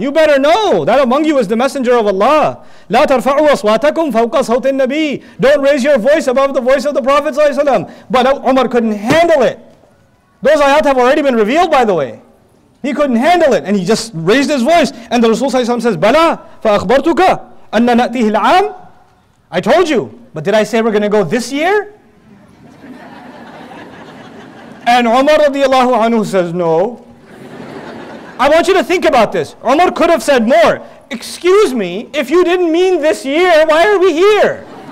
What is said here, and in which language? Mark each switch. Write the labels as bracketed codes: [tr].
[en] You better know that among you is the messenger of Allah. [ar] لَا تَرْفَعُوا أَصْوَاتَكُمْ فَوْقَ صَوْتِ النَّبِيِّ. [en] Don't raise your voice above the voice of the Prophet ﷺ. But Umar couldn't handle it. Those ayat have already been revealed, by the way. He couldn't handle it, and he just raised his voice. And the Rasul ﷺ says, [ar] بَلَا فَأَخْبَرْتُكَ أَنَّ نَأْتِهِ الْعَامِ. [en] I told you, but did I say we're going to go this year? And Umar radiallahu anhu says, no. I want you to think about this. Umar could have said more. Excuse me, if you didn't mean this year, why are we here?